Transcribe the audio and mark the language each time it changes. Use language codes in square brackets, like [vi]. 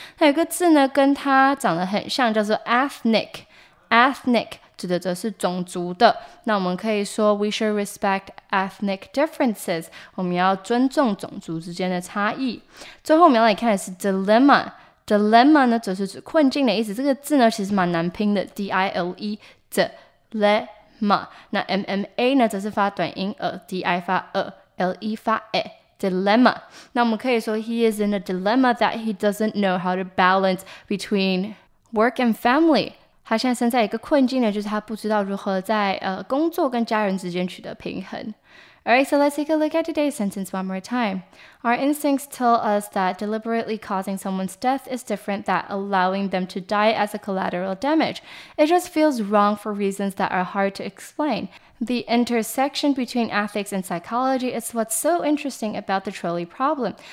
[zh] 它有个字呢跟它长得很像，叫做 ethnic， ethnic 指的则是种族的。那我们可以说 [en] we should respect ethnic differences， [zh] 我们要尊重种族之间的差异。最后我们要来看的是 dilemma。dilemma 呢则是指困境的意思，这个字呢其实蛮难拼的 ，d-i-l-e， 这。 Dilemma， 那 MMA 呢则是发短音 DI 发 LE 发 A， Dilemma。那我们可以说 [en] He is in a dilemma that he doesn't know how to balance between work and family。 [zh] 他现在身在一个困境呢，就是他不知道如何在工作跟家人之间取得平衡。 [en] Alright, so let's take a look at today's sentence one more time. Our instincts tell us that deliberately causing someone's death is different than allowing them to die as a collateral damage. It just feels wrong for reasons that are hard to explain. The intersection between ethics and psychology is what's so interesting about the trolley problem.